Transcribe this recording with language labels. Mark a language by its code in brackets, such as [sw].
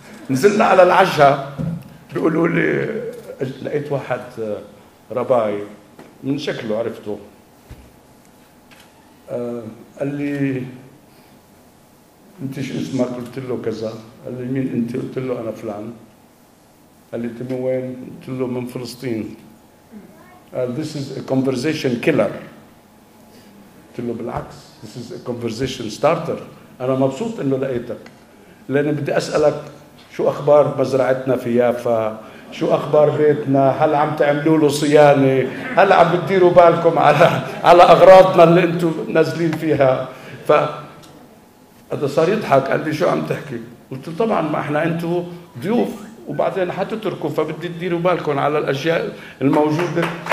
[ar] نزلنا على العشاء بيقولوا لي لقيت واحد رباي من شكله عرفته قال لي انت ايش اسمك؟ قلت له كذا. قال لي مين انت؟ قلت له انا فلان. قال لي انت من وين؟ قلت له من فلسطين. قال [en] this is a conversation killer. [ar] قلت له بالعكس [en] this is a conversation starter. [ar] انا مبسوط انه لقيتك لاني بدي اسالك شو اخبار مزرعتنا في يافا، شو اخبار بيتنا، هل عم تعملوا له صيانه، هل عم تديروا بالكم على اغراضنا اللي انتم نازلين فيها. ف هذا صار يضحك قال لي شو عم تحكي؟ قلت له طبعا ما احنا انتم ضيوف وبعدين حتتركوا فبدي تديروا بالكم على الاشياء الموجوده.